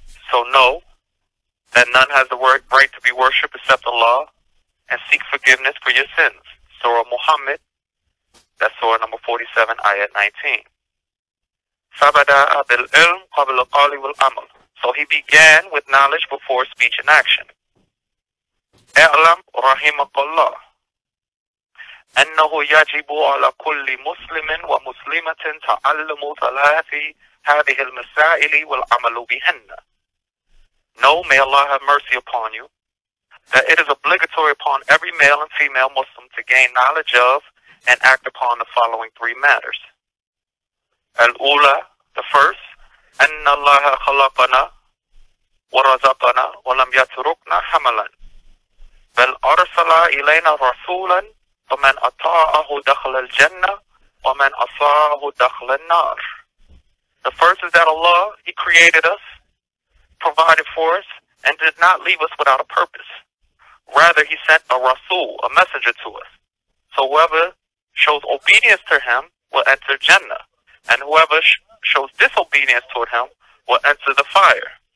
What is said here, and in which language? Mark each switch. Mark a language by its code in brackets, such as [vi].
[en] So know that none has the right to be worshipped except Allah, and seek forgiveness for your sins. Surah Muhammad, that's Surah number 47, Ayat 19. [ar] فَبَدَأَ بِالْعِلْمِ قَبْلَ الْقَوْلِ وَالْعَمَلِ. [en] So he began with knowledge before speech and action. [ar] اعلم رحمك الله أنه يجب على كل مسلم ومسلمة تعلم ثلاث هذه المسائل والعمل بهن. [en] Know, may Allah have mercy upon you, that it is obligatory upon every male and female Muslim to gain knowledge of and act upon the following three matters. [ar] الأولى, [en] the first, [ar] أن الله خلقنا ورزقنا ولم يتركنا حملا بل أرسل إلينا رسولا فمن أطاعه دخل الجنة ومن أصاعه دخل النار. [en] The first is that Allah, He created us, provided for us, and did not leave us without a purpose. Rather, He sent a Rasul, a messenger to us. So whoever shows obedience to Him will enter Jannah, and whoever shows disobedience toward Him will enter the fire.